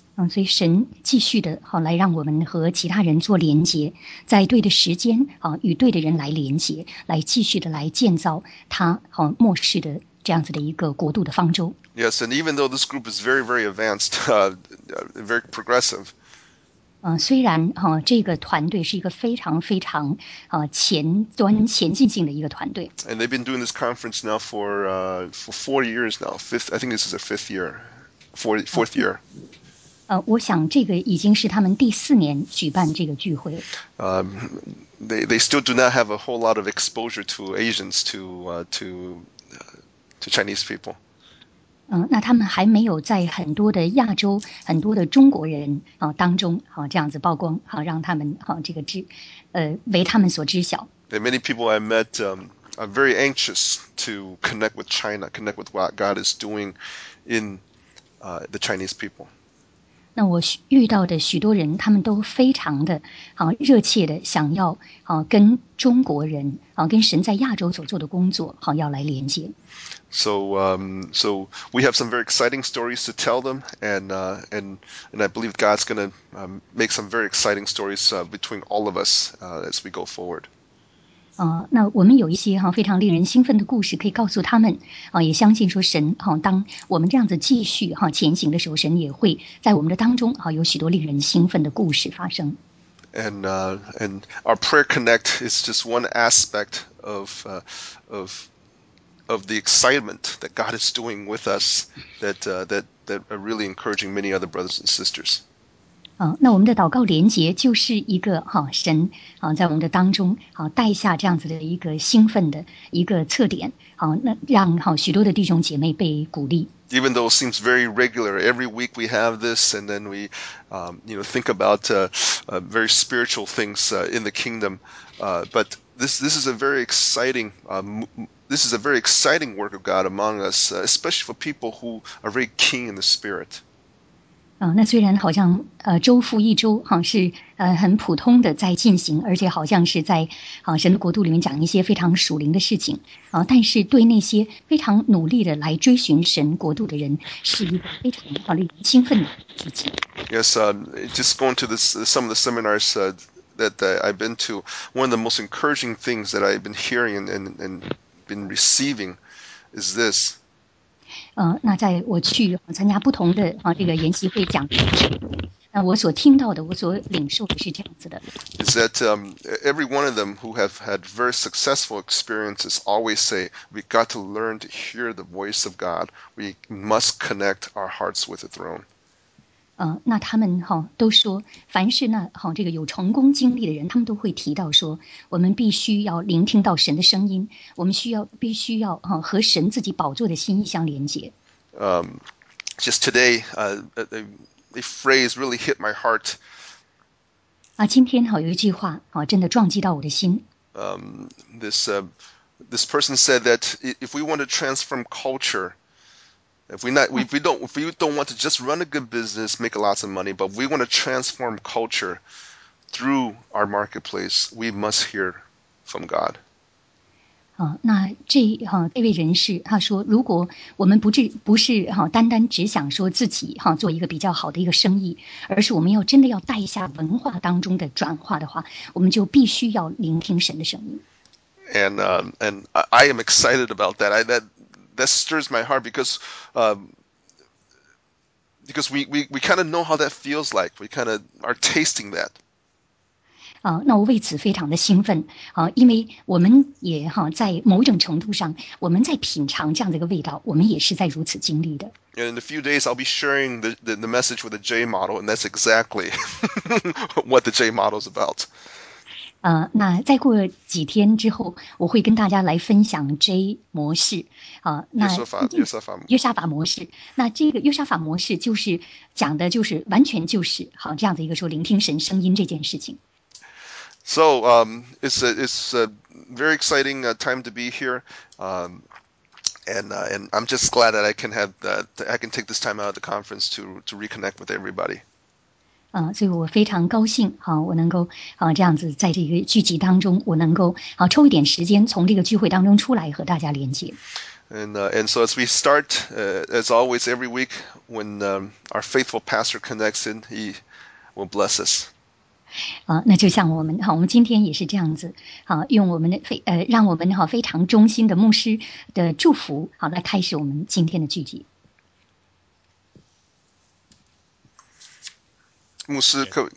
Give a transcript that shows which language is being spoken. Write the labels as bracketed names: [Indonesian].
[Chinese] 所以神继续的好来让我们和其他人做连接，在对的时间好与对的人来连接，来继续的来建造他好末世的这样子的一个国度的方舟。 [English] Yes, and even though this group is very, very advanced, very progressive. [Chinese] 虽然好这个团队是一个非常非常前端前进性的一个团队。 [English] And they've been doing this conference now for 4 years now. I think this is their fifth year. Fourth year. [Chinese] 我想这个已经是他们第四年举办这个聚会。 [English] They still do not have a whole lot of exposure to Asians, to Chinese people. [Chinese] 那他们还没有在很多的亚洲、很多的中国人当中这样子曝光，让他们这个为他们所知晓。 [English] And many people I met, are very anxious to connect with China, connect with what God is doing in. The Chinese people. [Chinese] 那我遇到的许多人，他们都非常的好热切的想要好跟中国人好跟神在亚洲所做的工作好要来连接。 [English] So we have some very exciting stories to tell them, and I believe God's going to make some very exciting stories between all of us as we go forward. [Chinese] 那我们有一些非常令人兴奋的故事可以告诉他们也相信说神当我们这样子继续前行的时候神也会在我们的当中有许多令人兴奋的故事发生。 [English] And our prayer connect is just one aspect of the excitement that God is doing with us that are really encouraging many other brothers and sisters. [Chinese] 那我们的祷告连结就是一个神在我们的当中带下这样子的一个兴奋的一个侧点那让许多的弟兄姐妹被鼓励。 [English] Even though it seems very regular, every week we have this, and then we, think about very spiritual things in the kingdom. But this is a very exciting, this is a very exciting work of God among us, especially for people who are very keen in the spirit. [Chinese] 那虽然好像周复一周哈是很普通的在进行，而且好像是在神的国度里面讲一些非常属灵的事情但是对那些非常努力的来追寻神国度的人，是一个非常令人兴奋的事情。 [English] Yes, just going to some of the seminars that I've been to, one of the most encouraging things that I've been hearing and been receiving is this. [Chinese] 那在我去参加不同的这个研习会讲，那我所听到的，我所领受的是这样子的。 [English] Is that every one of them who have had very successful experiences always say we got to learn to hear the voice of God. We must connect our hearts with the throne. [Chinese] 那他们哈都说，凡是那哈这个有成功经历的人，他们都会提到说，我们必须要聆听到神的声音，我们必须要哈和神自己宝座的心意相连接。 [English] Just today, a phrase really hit my heart. [Chinese] 啊，今天哈有一句话啊，真的撞击到我的心。 [English] This person said that if we want to transform culture, if we don't want to just run a good business, make lots of money, but we want to transform culture through our marketplace, we must hear from God. [Chinese] 那这位人士他说，如果我们不是单单只想说自己做一个比较好的一个生意，而是我们要真的要带下文化当中的转化的话，我们就必须要聆听神的声音。 [English] And I am excited about that. That stirs my heart because we kind of know how that feels like. We kind of are tasting that. [Chinese] 那我为此非常的兴奋啊，因为我们也哈在某种程度上，我们在品尝这样的一个味道，我们也是在如此经历的。 [English] And in a few days, I'll be sharing the message with the J model, and that's exactly what the J model is about. [Chinese] 那再过几天之后，我会跟大家来分享 J 模式啊。那约瑟法模式，那这个约瑟法模式就是讲的，就是完全就是好这样的一个说聆听神声音这件事情。 [English] So it's a very exciting time to be here, and I'm just glad that I can have I can take this time out of the conference to reconnect with everybody. [Chinese] 所以我非常高兴，我能够这样子在这个聚集当中，我能够抽一点时间从这个聚会当中出来和大家连接。 [English] And so as we start, as always, every week when our faithful pastor connects in, he will bless us. [Chinese] 那就像我们今天也是这样子，用我们的让我们非常忠心的牧师的祝福，来开始我们今天的聚集。牧师，